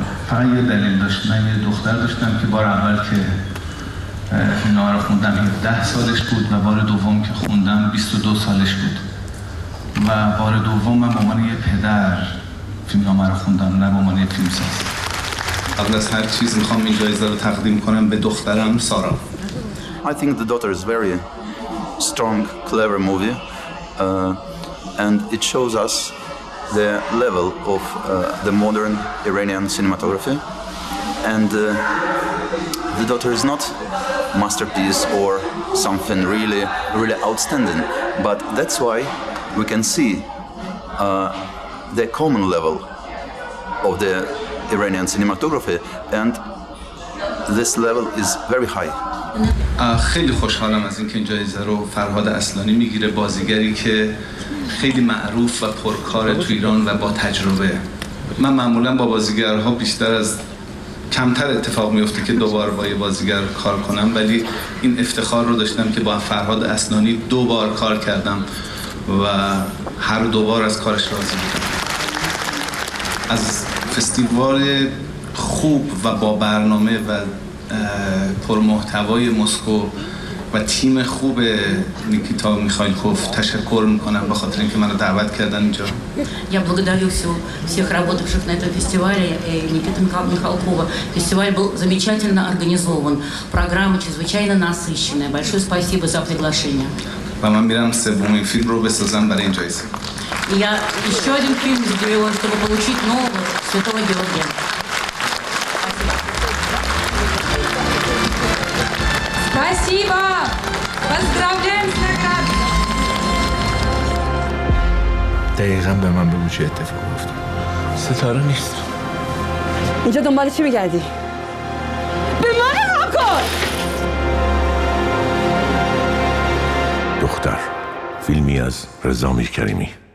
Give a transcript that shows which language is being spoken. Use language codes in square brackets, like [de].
[fa] فقط یه دلیل داشت، من یه دختر داشتم که بار اول که فیلمنامه رو خوندم 10 سالش بود و بار دوم که خوندم 22 سالش بود. و بار دوم من به عنوان یه پدر فیلمنامه رو خوندم، نه به عنوان یه فیلمساز. قبل از هر چیز میخوام این جایزه رو تقدیم کنم به دخترم سارا. [en] I think The Daughter is very strong, clever movie, and it shows us the level of the modern Iranian cinematography. And The Daughter is not masterpiece or something really, really outstanding, but that's why we can see the common level of the Iranian cinematography, and this level is very high. [fa] خیلی خوشحالم از اینکه جایزه رو فرهاد اصلانی میگیره، بازیگری که خیلی معروف و پرکار تو ایران و با تجربه. من معمولا با بازیگرها بیشتر از کمتر اتفاق میفته که دوبار با یه بازیگر کار کنم، ولی این افتخار رو داشتم که با فرهاد اصلانی دوبار کار کردم و هر دوبار از کارش راضی بودم. از فستیوال خوب و با برنامه و پرمحتوای مسکو و تیم خوب نیکیتا میخائیلوف تشکر میکنم به خاطر اینکه منو دعوت کردن اینجا. [ru] Я благодарю всех работавших на этом фестивале и Никиту Михалкова. Фестиваль был замечательно организован. Программа чрезвычайно насыщенная. Большое спасибо за приглашение. [fa] و من میرم سومین فیلم رو بسازم برای این جایزه. [ru] Я ещё один фильм сделала, чтобы получить нового Святого Георгия. Спасибо! Поздравляем с наградой! [fa] دقیقاً به من بگو چه اتفاق افتاد. ستاره نیست. اینجا دنبال چی می‌گردی؟ به من رو کن! دختر، فیلمی از رضا میرکریمی.